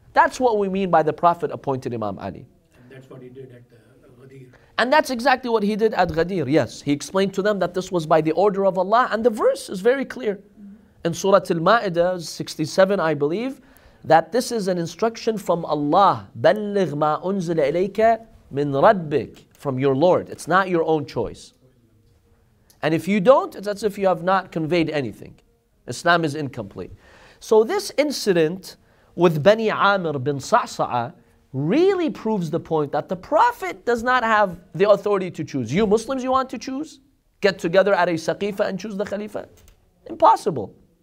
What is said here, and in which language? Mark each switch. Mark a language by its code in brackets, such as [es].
[en] That's what we mean by the Prophet appointed Imam Ali. And that's what he did at the And that's exactly what he did at Ghadir, yes. He explained to them that this was by the order of Allah. And the verse is very clear. In Surah Al-Ma'idah 67, I believe, that this is an instruction from Allah. [ar] بَلِّغْ مَا أُنزِلَ إِلَيْكَ مِنْ رَبِّكَ [en] From your Lord. It's not your own choice. And if you don't, it's as if you have not conveyed anything. Islam is incomplete. So this incident with Bani Amir bin Sa'sa'a really proves the point that the Prophet does not have the authority to choose. You Muslims, you want to choose? Get together at a saqifa and choose the Khalifa? Impossible.